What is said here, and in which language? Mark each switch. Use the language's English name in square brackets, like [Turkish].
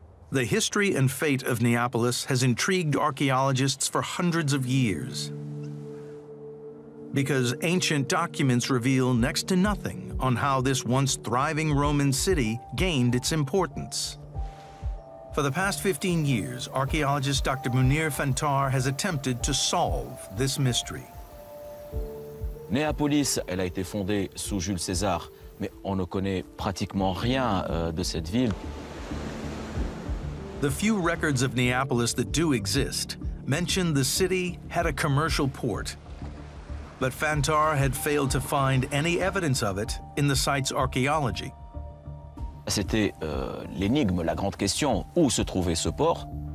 [English] The history and fate of Neapolis has intrigued archaeologists for hundreds of years, because ancient documents reveal next to nothing on how this once thriving Roman city gained its importance. For the past 15 years, archaeologist Dr. Munir Fantar has attempted to solve this mystery. [French] Neapolis, elle a été fondée sous Jules César, mais on ne connaît pratiquement rien de cette ville. [English] The few records of Neapolis that do exist mention the city had a commercial port, but Fantar had failed to find any evidence of it in the site's archaeology. [French] C'était l'énigme, la grande question, où se trouvait ce port?